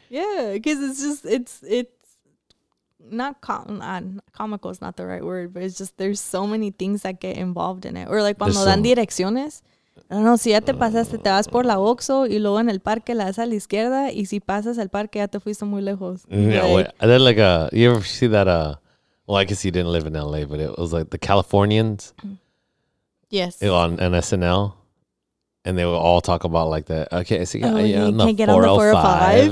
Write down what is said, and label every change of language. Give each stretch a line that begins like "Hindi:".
English: Yeah, because it's not comical is not the right word, but it's just, there's so many things that get involved in it. Or like,
Spanish: cuando dan direcciones. No, si ya te pasaste, te vas por la Oxxo, y luego en el parque la vas a la izquierda, y si pasas el parque ya te fuiste muy lejos.
English: You ever see that, I guess you didn't live in LA, but it was like the Californians. Yes. On SNL. And they would all talk about like that. Okay, so get on the 405.